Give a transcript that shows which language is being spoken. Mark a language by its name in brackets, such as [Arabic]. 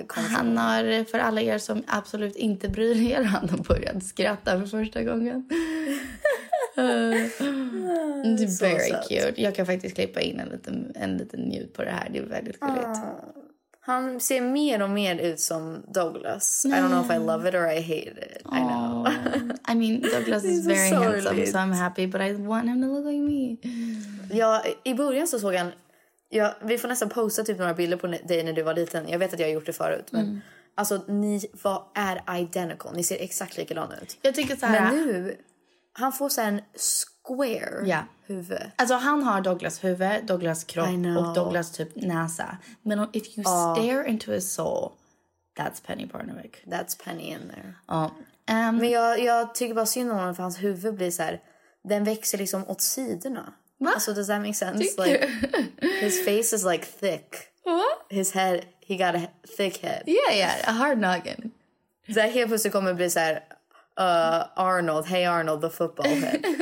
[Swedish] Han har, för alla er som absolut inte bryr er, han har börjat skratta för första gången. Det är [English] very cute. [Swedish] Jag kan faktiskt klippa in en liten njut på det här. Det är väldigt gulligt. Han ser mer och mer ut som Douglas. [English] I don't know if I love it or I hate it. I know. I mean, Douglas is very handsome, so I'm happy, but I want him to look like me. [Swedish] Ja, i början så såg han, vi får nästan posta typ några bilder på dig när du var liten. Jag vet att jag har gjort det förut, men alltså, vad är identical? Ni ser exakt likadan ut. Jag tycker så här, men nu han får sen square huvud. Alltså han har Douglas huvud, Douglas kropp och Douglas typ näsa. Men [English] if you stare into his soul, that's Penny Barnevik. That's Penny in there. [Swedish] Men jag tycker bara synd om honom, för hans huvud blir så här, den växer liksom åt sidorna. Va? [English] Alltså, does that make sense? Like, his face is like thick. What? His head, he got a thick head. Yeah, a hard noggin. [Swedish] Så här, helt plötsligt kommer bli så här, Arnold, [English] hey Arnold, the football head.